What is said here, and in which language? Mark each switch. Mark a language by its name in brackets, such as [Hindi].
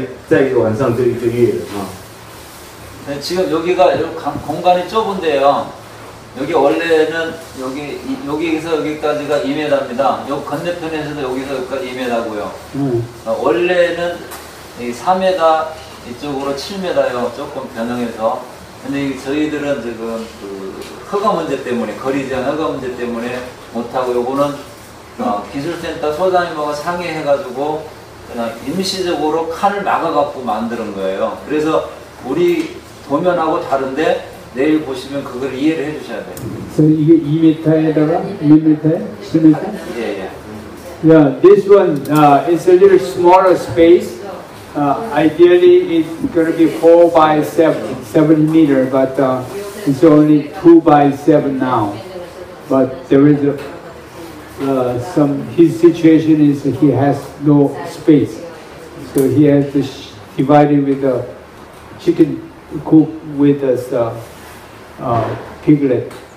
[Chinese] 那这一株哈是上次我们看到那个母猪哈，那已经生下来，就啊，在一晚上就一个月了啊。那 [Korean] 지금 여기가 공간이 좁은데요. 여기 원래는 여기 여기에서 여기까지가 2m입니다. 요 건너편에서도 여기서 여기까지 2m고요. 원래는 이 3m 이쪽으로 7m요. 조금 변형해서. 근데 저희들은 지금 그 허가 문제 때문에 거리 제한 허가 문제 때문에 못하고 요거는 기술센터 소장님하고 상의해가지고 그냥 임시적으로 칸을 막아갖고 만드는 거예요. 그래서 우리 도면하고 다른데 내일 보시면 그걸 이해를 해주셔야 돼요. 그래서 이게 2m에다가 1m에 10m? 예, 예. [English] Yeah, this one is a little smaller space. Ideally, it's gonna be 4 by 7 meter, but it's only 2 by 7 now. But there is a, some his situation is he has no space, so he has to divide it with the chicken coop with the piglet.